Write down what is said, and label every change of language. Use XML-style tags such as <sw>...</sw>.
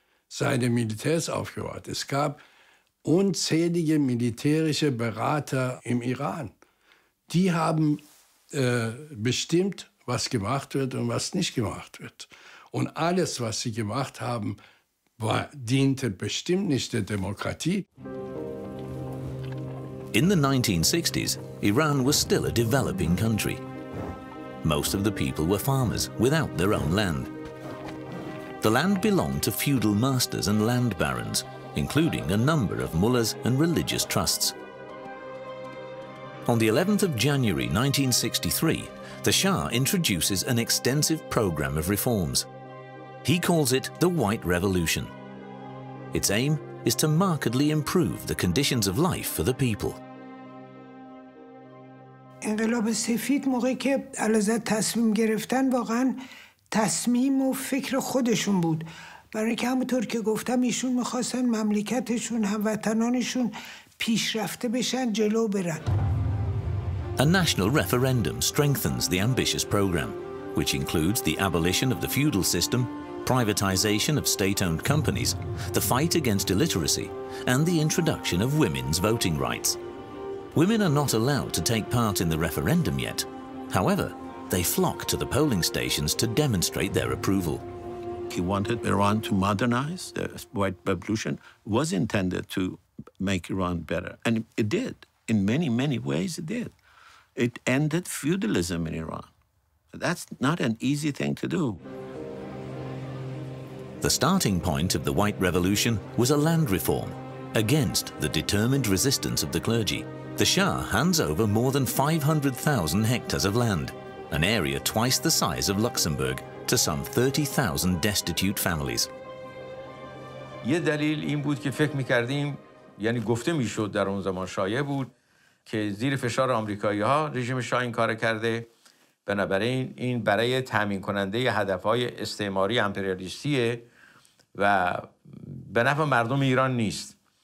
<de>Seine Militärs aufgehört. Es gab unzählige militärische Berater im Iran. Die haben bestimmt, was gemacht wird und was nicht gemacht wird. Und alles, was sie gemacht haben, diente bestimmt nicht der Demokratie.</de> <en>In the 1960s, Iran was still a developing country. Most of the people were farmers without their own land. The land belonged to feudal masters and land barons, including a number of mullahs and religious trusts. On the 11th of January 1963, the Shah introduces an extensive program of reforms. He calls it the White Revolution. Its aim is to markedly improve the conditions of life for the people.</en> <fa>انقلاب سفید موقعی که علازت تصمیم گرفتن واقعا تصمیم و فکر خودشون بود برای اینکه همونطور که گفتم ایشون میخواستن مملکتشون هموطنانشون پیشرفته بشن جلو برن.</fa> <en>A national referendum strengthens the ambitious program, which includes the abolition of the feudal system, privatization of state-owned companies, the fight against illiteracy, and the introduction of women's voting rights. Women are not allowed to take part in the referendum yet. However, they flock to the polling stations to demonstrate their approval. He wanted Iran to modernize. The White Revolution was intended to make Iran better. And it did. In many, many ways, it did. It ended feudalism in Iran. That's not an easy thing to do. The starting point of the White Revolution was a land reform against the determined resistance of the clergy. The Shah hands over more than 500,000 hectares of land, an area twice the size of Luxembourg, to some 30,000 destitute families.</en> <fa>یه دلیل این بود که فکر می‌کردیم، یعنی گفته می‌شد در اون زمان شایع بود که زیر فشار آمریکایی‌ها رژیم شاه این کارو کرده. بنابراین این برای تامین کننده هدف‌های استعماری امپریالیستیه و به نفع مردم ایران نیست.</fa>